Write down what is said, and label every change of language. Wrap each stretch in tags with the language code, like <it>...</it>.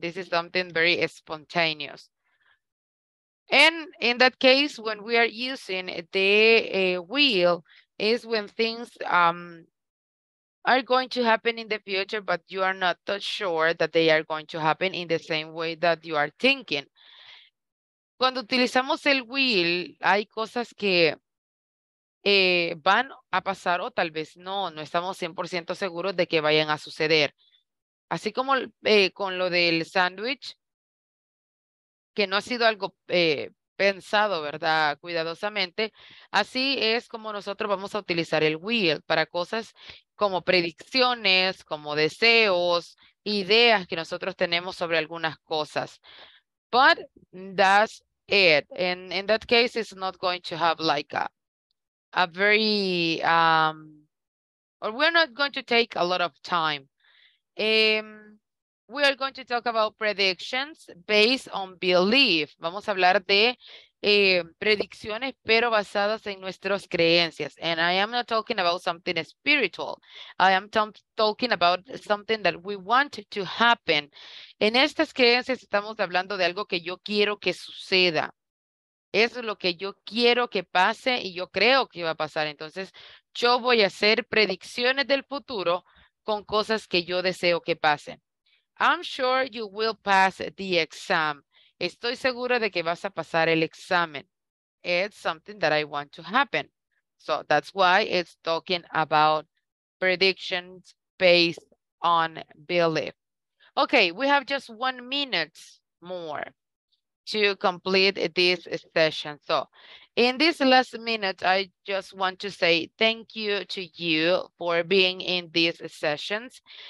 <en>This is something very spontaneous. And in that case, when we are using the will, is when things are going to happen in the future, but you are not sure that they are going to happen in the same way that you are thinking.</en> <es>Cuando utilizamos el will, hay cosas que van a pasar o tal vez no. No estamos 100% seguros de que vayan a suceder. Así como con lo del sandwich, que no ha sido algo pensado, ¿verdad? Cuidadosamente. Así es como nosotros vamos a utilizar el will para cosas como predicciones, como deseos, ideas que nosotros tenemos sobre algunas cosas.</es> <en>But that's it. In that case, it's not going to have like a very, or we're not going to take a lot of time. We are going to talk about predictions based on belief.</en> <es>Vamos a hablar de predicciones, pero basadas en nuestras creencias.</es> <en>And I am not talking about something spiritual. I am talking about something that we want to happen.</en> <es>En estas creencias estamos hablando de algo que yo quiero que suceda. Eso es lo que yo quiero que pase y yo creo que va a pasar. Entonces, yo voy a hacer predicciones del futuro con cosas que yo deseo que pasen. I'm sure you will pass the exam. Estoy segura de que vas a pasar el examen.</es> <en>It's something that I want to happen. So that's why it's talking about predictions based on belief. Okay, we have just 1 minute more to complete this session. So In this last minute, I just want to say thank you to you for being in these sessions.</en>